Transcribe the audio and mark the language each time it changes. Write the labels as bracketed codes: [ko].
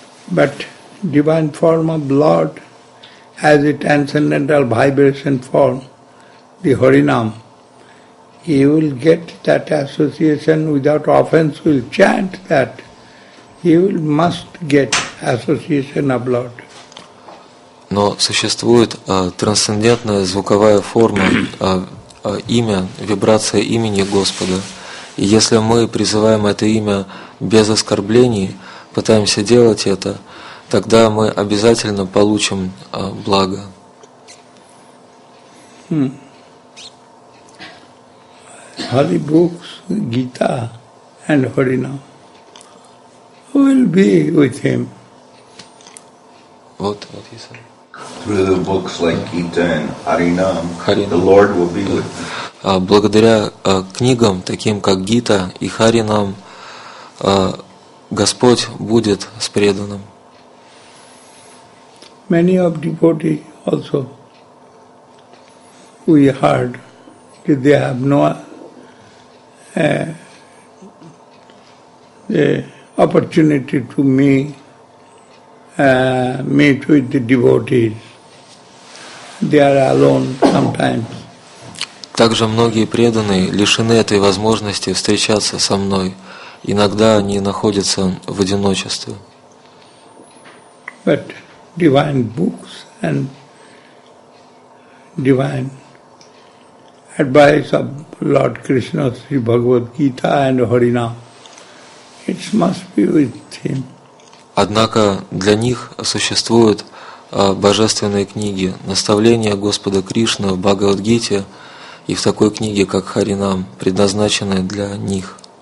[en] But divine form of Lord has a transcendental vibration form, the Harinam. He will get that association without offense, will chant that. He will must get association of Lord. [ru] Но существует трансцендентная звуковая форма, имя, вибрация имени Господа. И если мы призываем это имя без оскорблений, пытаемся делать это, тогда мы обязательно получим благо. [en] Holy books, Gita and Harinam will be with him. What he said. Through the books like Gita and Harinam, the Lord will be with him. [ru] Благодаря книгам, таким как Гита и Харинам, Господь будет с преданным. [en] Many of devotees also we heard that they have no opportunity to meet with the devotees. They are alone sometimes. [ru] Также многие преданные лишены этой возможности встречаться со мной. Иногда они находятся в одиночестве. [en] But divine books and divine advice of Lord Krishna, Sri Bhagavad Gita and Harinam, it must be with him. [ru] Однако для них существуют божественные книги, наставления Господа Кришны в Бхагавад-гите и в такой книге, как Харинам, предназначенные для них.